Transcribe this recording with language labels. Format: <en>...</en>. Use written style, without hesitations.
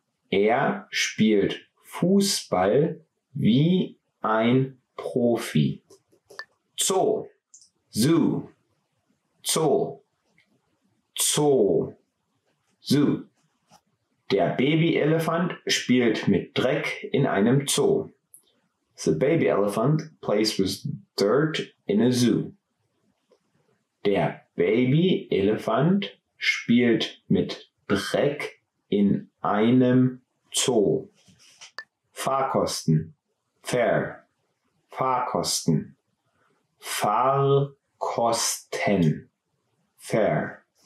<de>Er spielt Fußball wie ein Profi. Zoo. Zoo. Zoo. Zoo. Zoo. Der Babyelefant spielt mit Dreck in einem Zoo.</de> <en>The baby elephant plays with dirt in a zoo.</en> <de>Der Babyelefant spielt mit Dreck in einem Zoo. Fahrkosten. Fare. Fahrkosten. Fahrkosten. Fare.</de>